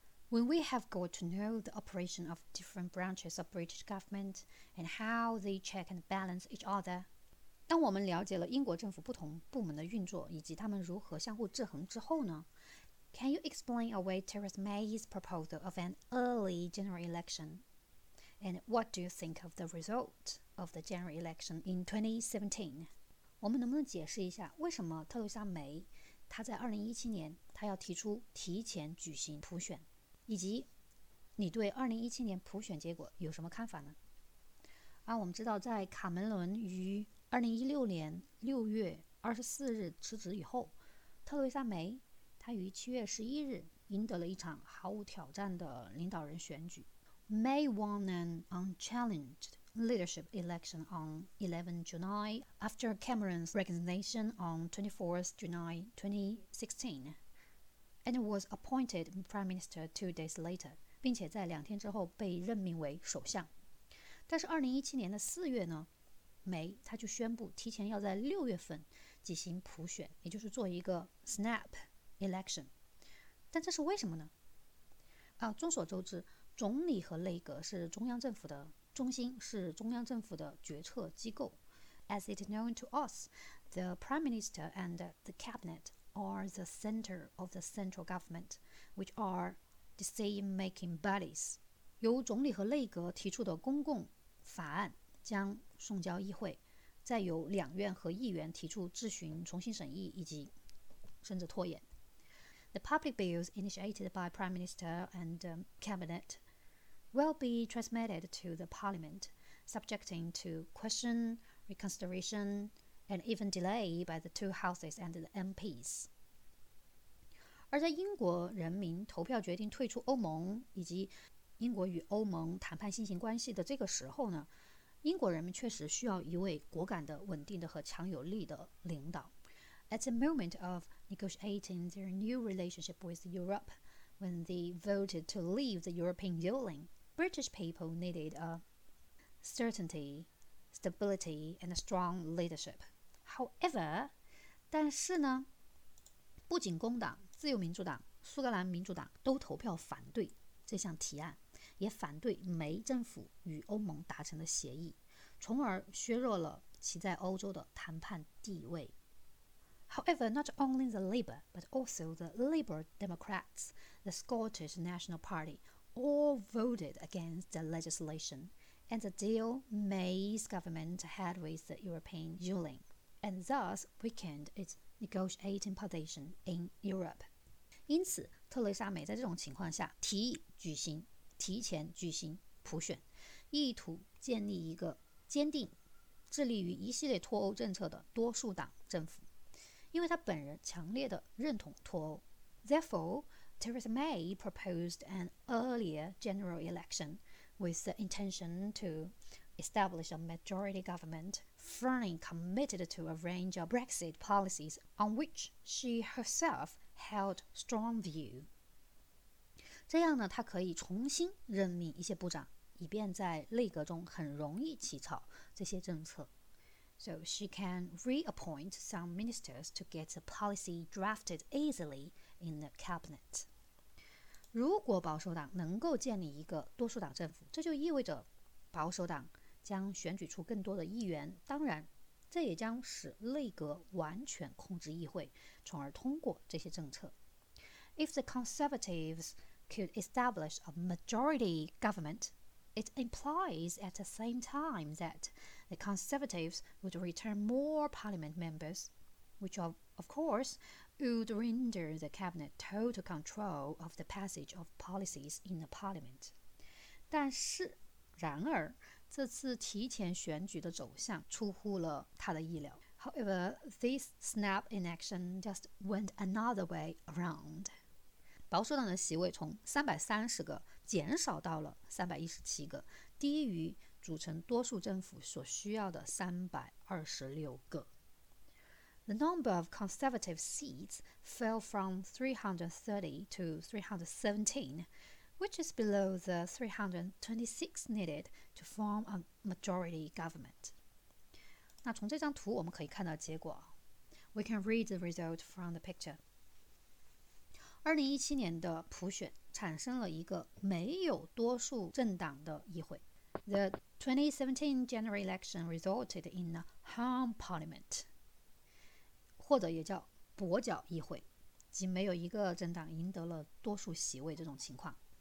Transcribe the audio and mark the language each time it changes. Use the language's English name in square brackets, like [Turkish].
[English] When we have got to know the operation of different branches of British government and how they check and balance each other, [Chinese] 当我们了解了英国政府不同部门的运作以及他们如何相互制衡之后呢？ [English] Can you explain away Theresa May's proposal of an early general election? And what do you think of the result of the general election in 2017? [Chinese] 我们能不能解释一下为什么特蕾莎梅她在2017年她要提出提前举行普选？以及你对2017年普选结果有什么看法呢？啊，我们知道在卡梅伦于2016年6月24日辞职以后，特蕾莎梅她于7月11日赢得了一场毫无挑战的领导人选举。 [English] May won an unchallenged leadership election on 11 July after Cameron's resignation on 24th July 2016and was appointed Prime Minister 2 days later, [Chinese] 并且在两天之后被任命为首相。但是2017年的4月呢，梅他就宣布提前要在6月份举行普选，也就是做一个 snap election。但这是为什么呢？啊，众所周知，总理和内阁是中央政府的中心，是中央政府的决策机构。 [English] As it is known to us, the Prime Minister and the Cabinet,are the center of the central government, which are decision-making bodies. [Chinese] 由总理和内阁提出的公共法案将送交议会，再由两院和议员提出质询、重新审议以及甚至拖延。 [English] The public bills initiated by Prime Minister and Cabinet will be transmitted to the Parliament, subjecting to question, reconsideration,and even delay by the two houses and the MPs. [Chinese] 而在英国人民投票决定退出欧盟以及英国与欧盟谈判新型关系的这个时候呢，英国人民确实需要一位果敢的、稳定的和强有力的领导。 [English] At the moment of negotiating their new relationship with Europe, when they voted to leave the European Union, British people needed a certainty,stability and a strong leadership. However, [Chinese] 但是呢，不仅工党、自由民主党、苏格兰民主党都投票反对这项提案，也反对梅政府与欧盟达成的协议，从而削弱了其在欧洲的谈判地位。 [English] However, not only the Labour, but also the Liberal Democrats, the Scottish National Party, all voted against the legislation. And the deal May's government had with the European Union, and thus weakened its negotiating position in Europe. [Chinese] 因此，特蕾莎梅在这种情况下提议举行提前举行普选，意图建立一个坚定、致力于一系列脱欧政策的多数党政府，因为她本人强烈的认同脱欧。 [English] Therefore, Theresa May proposed an earlier general election. With the intention to establish a majority government, firmly committed to a range of Brexit policies on which she herself held strong view. [Chinese] 这样呢，她可以重新任命一些部长，以便在内阁中很容易起草这些政策。 [English] So she can reappoint some ministers to get the policy drafted easily in the cabinet. [Chinese] 如果保守党能够建立一个多数党政府，这就意味着保守党将选举出更多的议员，当然这也将使内阁完全控制议会，从而通过这些政策。 [English] If the Conservatives could establish a majority government, it implies at the same time that the Conservatives would return more parliament members, which of course,would render the cabinet total control of the passage of policies in the parliament. [Chinese] 但是，然而，这次提前选举的走向出乎了他的意料。 [English] However, this snap election just went another way around. [Chinese] 保守党的席位从330个减少到了317个，低于组成多数政府所需要的326个。 [English] The number of conservative seats fell from 330 to 317, which is below the 326 needed to form a majority government. [Chinese] 那从这张图我们可以看到结果。 [English] We can read the result from the picture. [Chinese] 2017年的普选产生了一个没有多数政党的议会。 [English] The 2017 general election resulted in a hung parliament, [Chinese] 或者也叫跛脚议会，即没有一个政党赢得了多数席位这种情况。